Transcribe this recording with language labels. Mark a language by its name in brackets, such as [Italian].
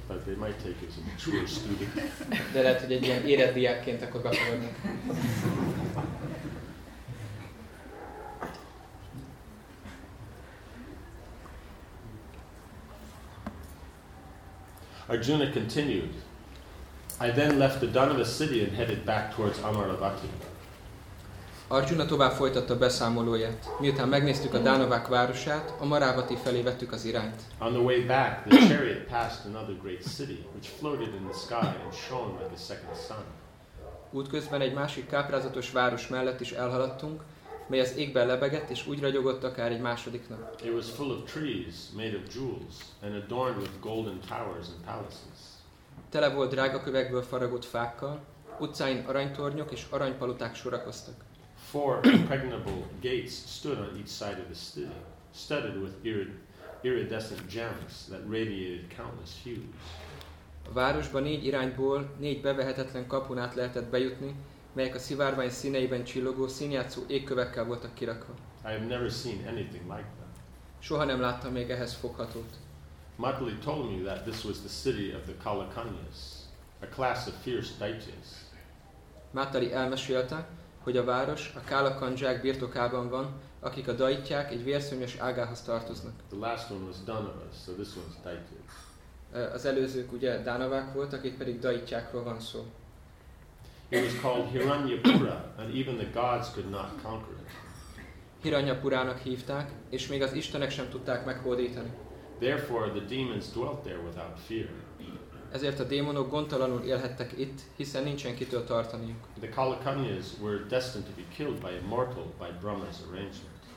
[English] But they might take you as a mature student. [Hungarian] De lehet, hogy egy ilyen érett diákként akkor befogadnak. [English] Arjuna continued, I then left the Danava city and headed back towards Amaravati. [Hungarian] Arjuna tovább folytatta beszámolóját. Miután megnéztük a Danavák városát, a Maravati felé vettük az irányt. [English] On the way back, the chariot passed another great city, which floated in the sky and shone like a second sun. [Hungarian] Útközben egy másik káprázatos város mellett is elhaladtunk, mely az égben lebegett, és úgy ragyogott akár egy második nap. [English] It was full of trees, made of jewels, and adorned with golden towers and palaces. [Hungarian] Tele volt drága kövekből faragott fákkal, utcáin aranytornyok és aranypaluták sorakoztak. [English] Four impregnable gates stood on each side of the city, studded with iridescent gems that radiated countless hues. [Hungarian] A városba négy irányból négy bevehetetlen kapun át lehetett bejutni, melyek a szivárvány színeiben csillogó, színjátszó égkövekkel voltak kirakva. [English] I have never seen anything like that. [Hungarian] Soha nem láttam még ehhez foghatót. [English] Matali told me that this was the city of the Kalakanyas, a class of fierce daityas. [Hungarian] Matali elmesélte, hogy a város a Kalakanjak birtokában van, akik a daityák egy vérszörnyös ágához tartoznak. [English] The last one was Danava, so this one's daityas. [Hungarian] Az előzők ugye Danavák voltak, akik pedig daityákról van szó. [English] It was called Hiranyapura, and even the gods could not conquer it. [Hungarian] Hiranyapurának hívták, és még az istenek sem tudták meghódítani. [English] Therefore, the demons dwelt there without fear. [Hungarian] Ezért a démonok gondtalanul élhettek itt, hiszen nincsen kitől tartaniuk. [English] The Kalakanyas were destined to be killed by a mortal by Brahma's arrangement.